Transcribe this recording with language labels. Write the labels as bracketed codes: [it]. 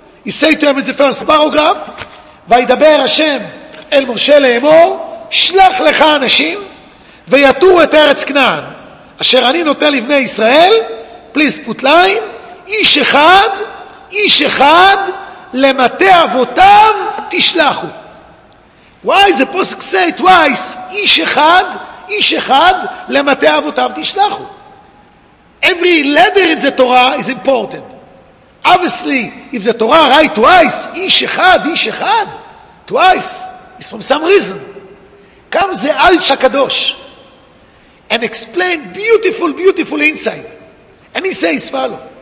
[en] He said to him in the first paragraph, [he] "Vaydaber Hashem el Moshe le'emor, shlach lecha anashim, ויתור את ארץ כנען, אשר אני נותן לבני ישראל, [en] please put line, [he] איש אחד, איש אחד, למטה אבותיו, תשלחו." [en] Why the pasuk say twice, [he] איש אחד, איש אחד, למטה אבותיו, תשלחו? [en] Every letter in the Torah is important. Obviously, if the Torah write twice, [he] איש אחד, איש אחד, [en] twice, it's from some reason. Comes the Alsh HaKadosh, and explain beautiful, beautiful insight. And he says, follow.